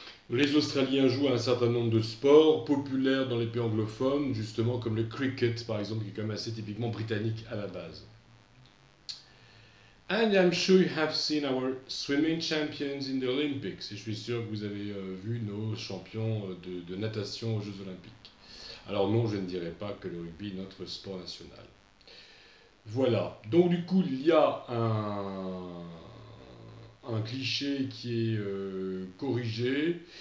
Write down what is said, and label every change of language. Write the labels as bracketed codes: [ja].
[fr] Les Australiens jouent à un certain nombre de sports populaires dans les pays anglophones, justement comme le cricket par exemple, qui est quand même assez typiquement britannique à la base. [en] And I'm sure you have seen our swimming champions in the Olympics. [fr] Et je suis sûr que vous avez vu nos champions de natation aux Jeux Olympiques. Alors non, je ne dirais pas que le rugby est notre sport national. Voilà. Donc du coup, il y a un cliché qui est corrigé.